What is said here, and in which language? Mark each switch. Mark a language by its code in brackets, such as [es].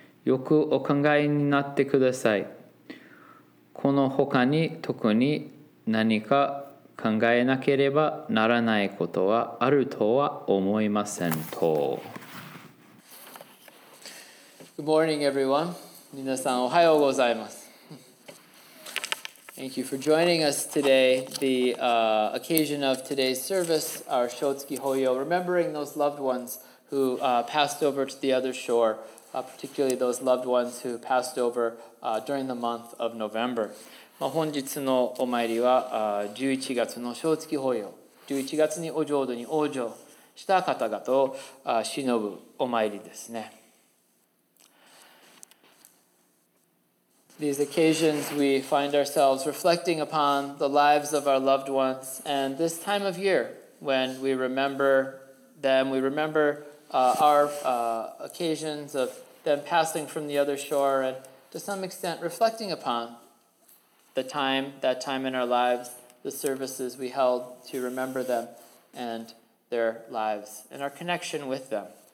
[ja] よくお考えになってください。この他に特に何か考えなければならないことはあるとは思いませんと。 [en] Good morning, everyone. [ja] 皆さん、おはようございます。 [en] Thank you for joining us today. The occasion of today's service, our Shotsuki Hoyo, remembering those loved ones who passed over to the other shore, particularly those loved ones who passed over during the month of November. [ja] 本日のお参りは11月の正月法要、11月にお浄土に往生した方々を偲ぶお参りですね。 [en] These occasions we find ourselves reflecting upon the lives of our loved ones, and this time of year when we remember them, we remember our occasions of them passing from the other shore, and to some extent reflecting uponThat time in our lives, the services we held to remember them and their lives and our connection with them.